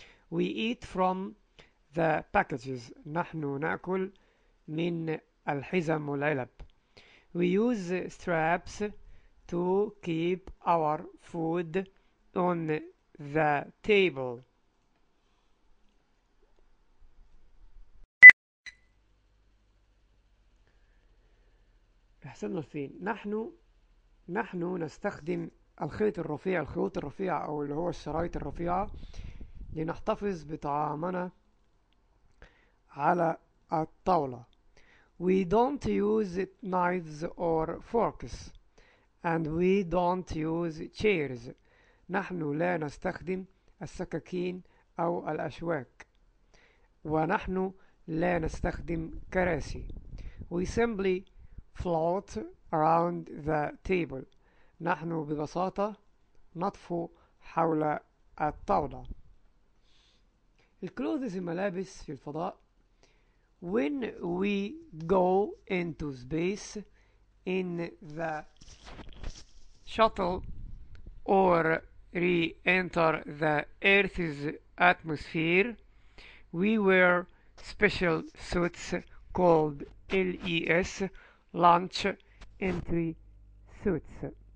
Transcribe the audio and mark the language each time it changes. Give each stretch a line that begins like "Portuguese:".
English: We eat from the packages.
Arabic: نحن نأكل من الحزم والعلب.
English: We use straps to keep our food on the table.
Arabic: احسننا فين؟ نحن نستخدم الخيط الرفيع، الخيوط الرفيعة أو اللي هو الشرايط الرفيعة لنحتفظ بطعامنا على الطاولة.
English: We don't use knives or forks, and we don't use chairs.
Arabic: نحن لا نستخدم السكاكين أو الأشواك، ونحن لا نستخدم كراسي.
English: We simply float around the table.
Arabic: نحن ببساطة نطفو حول الطاولة. الكلوذز الملابس في الفضاء.
English: When we go into space in the shuttle or re-enter the Earth's atmosphere, we wear special suits called LES, Launch Entry Suits.